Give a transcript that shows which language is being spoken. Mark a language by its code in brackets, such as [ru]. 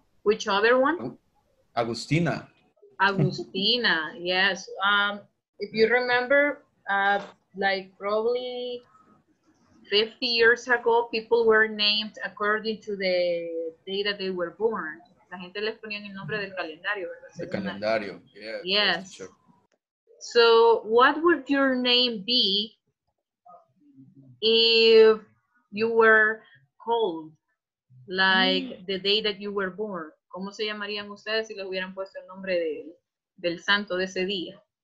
[en] Which other one? Agustina, yes. If you remember, like probably 50 years ago, people were named according to the day that they were born. [es] La gente les ponía el nombre del calendario, ¿verdad? El calendario, yeah. [en] Yes. So what would your name be if you were called, like the day that you were born? [es] ¿Cómo se llamarían ustedes si les hubieran puesto el nombre de, del santo de ese día?